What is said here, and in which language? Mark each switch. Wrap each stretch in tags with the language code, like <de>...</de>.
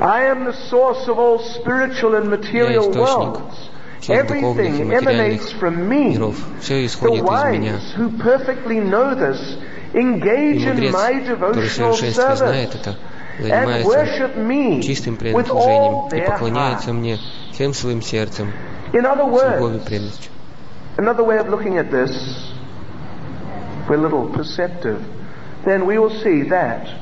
<en>I am the source of all spiritual and material worlds.</en> <ru>всех духовных и материальных миров. Все исходит из меня. Мудрец, который совершенство знает это, занимается чистым предослужением и поклоняется мне всем своим сердцем с любовью и преданностью.</ru> <en>Another way of looking at this, if we're a little perceptive, then we will see that</en>